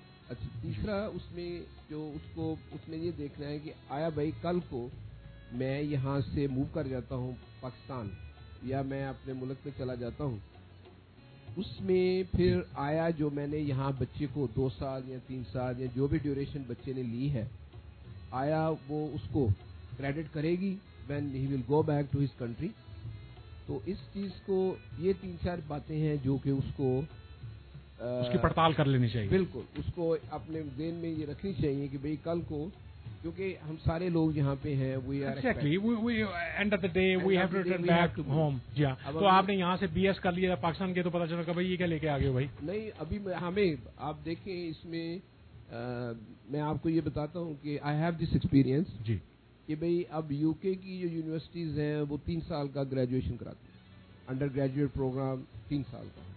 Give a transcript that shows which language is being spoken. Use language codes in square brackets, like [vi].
[ur] اچھا تیسرا اس میں جو اس کو اس میں یہ دیکھنا ہے کہ آیا بھائی کل کو میں یہاں سے موو کر جاتا ہوں پاکستان یا میں اپنے ملک میں چلا جاتا ہوں، اس میں پھر آیا جو میں نے یہاں بچے کو دو سال یا تین سال یا جو بھی ڈیوریشن بچے نے لی ہے آیا وہ اس کو کریڈٹ کرے گی [en] When he will go back to his country. [ur] تو اس چیز کو یہ تین چار باتیں ہیں جو کہ اس کو اس کی پڑتال کر لینی چاہیے، بالکل اس کو اپنے ذہن میں یہ رکھنی چاہیے کہ بھائی کل کو کیونکہ ہم سارے لوگ یہاں پہ ہیں [en] We are exactly we end of the day we have to return back to home. [ur] جی ہاں تو آپ نے یہاں سے بی ایس کر لیا پاکستان کے تو پتا چلا کہ بھائی یہ کیا لے کے آگے بھائی. نہیں ابھی ہمیں آپ دیکھیں اس میں میں آپ کو یہ بتاتا ہوں کہ [en] I have this experience [ur] جی کہ بھائی اب یو کے کی جو یونیورسٹیز ہیں وہ تین سال کا گریجویشن کراتے ہیں، انڈر گریجویٹ پروگرام تین سال کا.